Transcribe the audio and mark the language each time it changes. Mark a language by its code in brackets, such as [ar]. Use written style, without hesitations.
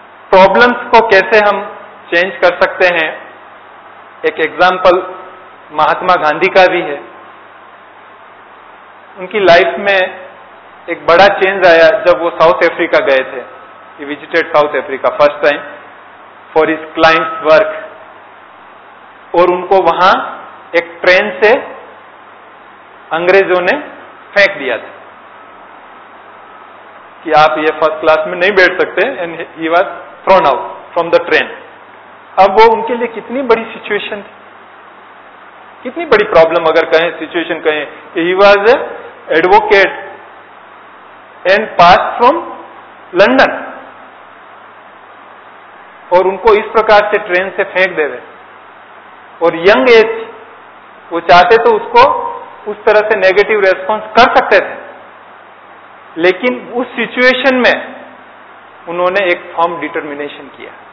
[hi] Problems को कैसे हम चेंज कर सकते हैं, एक एग्जाम्पल महात्मा गांधी का भी है. उनकी लाइफ में एक बड़ा चेंज आया जब वो साउथ अफ्रीका गए थे. [en] He visited South Africa first time for his client's work. [hi] और उनको वहां एक ट्रेन से अंग्रेजों ने फेंक दिया था कि आप ये फर्स्ट क्लास में नहीं बैठ सकते, [en] and he was thrown out from the train. [hi] अब वो उनके लिए कितनी बड़ी सिचुएशन थी, कितनी बड़ी प्रॉब्लम अगर कहें, सिचुएशन कहें. [en] He was an advocate and passed from London. [hi] और उनको इस प्रकार से ट्रेन से फेंक दे रहे, और यंग एज, वो चाहते तो उसको उस तरह से नेगेटिव रेस्पॉन्स कर सकते थे, लेकिन उस सिचुएशन में उन्होंने एक फर्म डिटर्मिनेशन किया